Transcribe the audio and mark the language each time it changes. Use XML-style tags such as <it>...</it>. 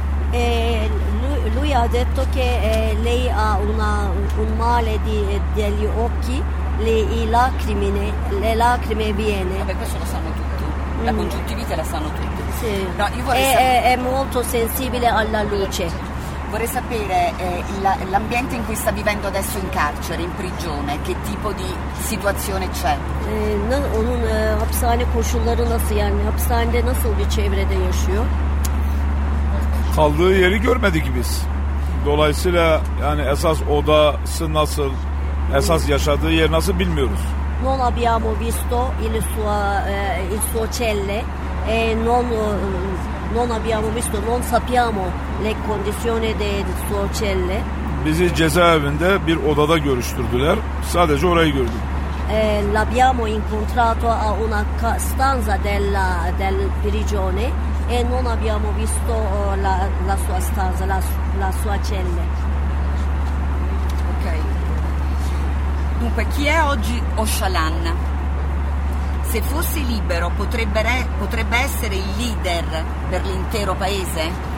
<it>E lui ha detto che lei ha un male degli occhi, le lacrime viene. Vabbè, questo lo sanno tutti. La congiuntivite la sanno tutti. Sì. No, io vorrei è molto sensibile alla luce. Vorrei sapere l'ambiente in cui sta vivendo adesso in carcere, in prigione, che tipo di situazione c'è?</it> <tr>Onun hapishane koşulları nasıl, yani hapishanede nasıl bir çevrede yaşıyor? Kaldığı yeri görmedik biz. Dolayısıyla yani esas odası nasıl, esas yaşadığı yer nasıl bilmiyoruz.</tr> <it>Non abbiamo visto il suo celle e non abbiamo visto, non sappiamo le condizioni del suo celle.</it> <tr>Bizi cezaevinde bir odada görüştürdüler. Sadece orayı gördüm.</tr> <it>L'abbiamo incontrato a una stanza del prigione e non abbiamo visto la sua stanza, la sua celle. Ok. Dunque, chi è oggi Öcalan? Se fosse libero, potrebbe essere il leader per l'intero paese?</it>